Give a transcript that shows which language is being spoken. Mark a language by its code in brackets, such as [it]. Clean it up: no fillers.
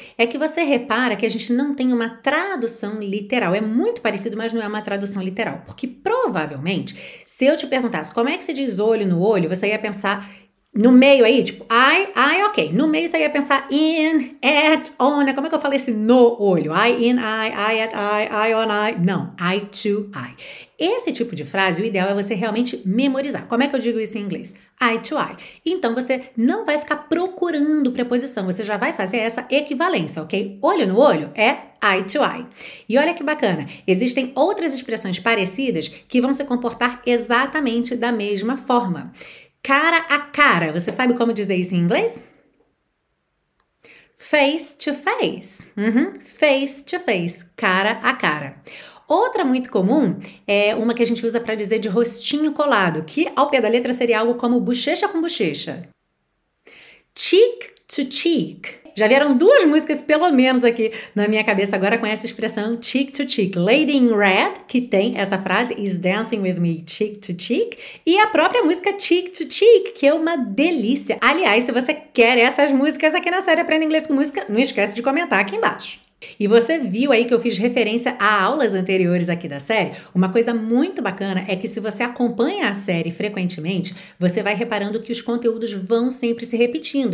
[pt] É que você repara que a gente não tem uma tradução literal. É muito parecido, mas não é uma tradução literal. Porque provavelmente, se eu te perguntasse como é que se diz olho no olho, você ia pensar no meio aí, tipo, eye, ok. No meio você ia pensar in, at, on, né? Como é que eu falei esse no olho? [en] Eye in, eye, eye at, eye, eye on, eye. Não, eye to eye. [pt] Esse tipo de frase, o ideal é você realmente memorizar. Como é que eu digo isso em inglês? [en] Eye to eye. [pt] Então você não vai ficar procurando preposição, você já vai fazer essa equivalência, ok? Olho no olho é [en] eye to eye. [pt] E olha que bacana, existem outras expressões parecidas que vão se comportar exatamente da mesma forma. Cara a cara, você sabe como dizer isso em inglês? [en] Face to face. Face to face, [pt] cara a cara. Outra muito comum é uma que a gente usa para dizer de rostinho colado, que ao pé da letra seria algo como bochecha com bochecha. [en] Cheek to cheek. [pt] Já vieram duas músicas, pelo menos aqui na minha cabeça agora, com essa expressão [en] cheek to cheek. Lady in Red, [pt] que tem essa frase, [en] is dancing with me cheek to cheek. [pt] E a própria música Cheek to Cheek, que é uma delícia. Aliás, se você quer essas músicas aqui na série Aprenda Inglês com Música, não esquece de comentar aqui embaixo. E você viu aí que eu fiz referência a aulas anteriores aqui da série? Uma coisa muito bacana é que se você acompanha a série frequentemente, você vai reparando que os conteúdos vão sempre se repetindo.